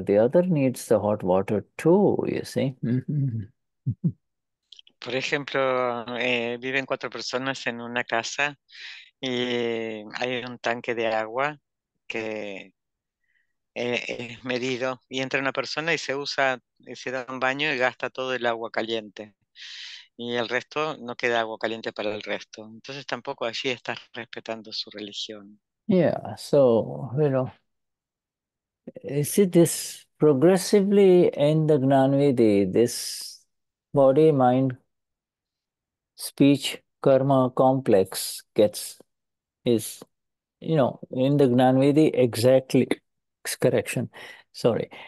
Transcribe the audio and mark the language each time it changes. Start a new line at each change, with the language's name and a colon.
English: The other needs the hot water too, you see.
Spanish: Por ejemplo, viven cuatro personas en una casa y hay un tanque de agua que es medido, y entra una persona y se da un baño y gasta todo el agua caliente, y el resto no queda agua caliente para el resto. Entonces tampoco allí está respetando su religión.
English: Yeah, so, you know, is it this progressively in the Gnanvidhi, this body, mind, speech, karma complex is, you know, in the Gnanvidhi, exactly, correction, sorry.